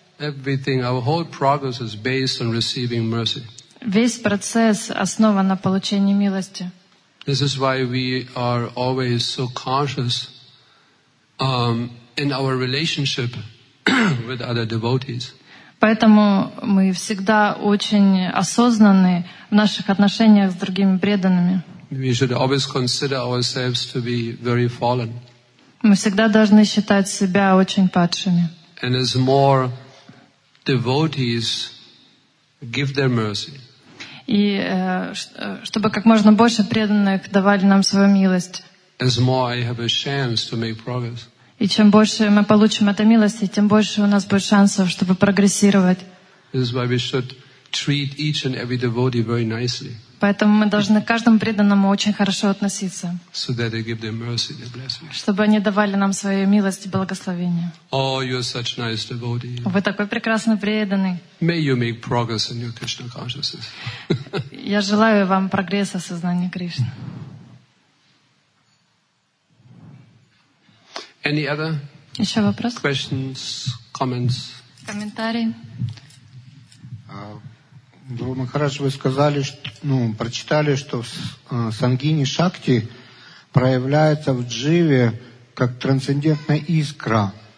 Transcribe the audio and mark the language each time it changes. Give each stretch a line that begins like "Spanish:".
English: Everything, our whole progress is based on receiving mercy.
Russian: Весь процесс основан на получении милости.
English: This is why we are always so conscious in our relationship with other devotees.
Russian: Поэтому мы всегда очень осознанны в наших отношениях с другими преданными.
English: We should always consider ourselves to be very fallen.
Russian: Мы всегда должны считать себя очень падшими.
English: And as more devotees give their mercy.
Russian: И чтобы как можно больше преданных давали нам свою милость.
English: As more I have a chance to make progress.
Russian: И чем больше мы получим этой милости, тем больше у нас будет шансов, чтобы прогрессировать. Поэтому мы должны к каждому преданному очень хорошо относиться.
English: So that they give their mercy, their blessing.
Russian: Чтобы они давали нам свою милость и благословение.
English: Oh, you are such nice devotee.
Russian: Вы такой прекрасный преданный.
English: May you make progress in your Krishna consciousness.
Russian: Я желаю вам прогресса в сознании Кришны.
English: Any other
Russian: Еще вопрос?
English: Questions, comments?
Russian: Комментарии. Гуру Махарадж, вы сказали, что, ну, прочитали, что в сангине шакти проявляется в дживе как трансцендентная искра.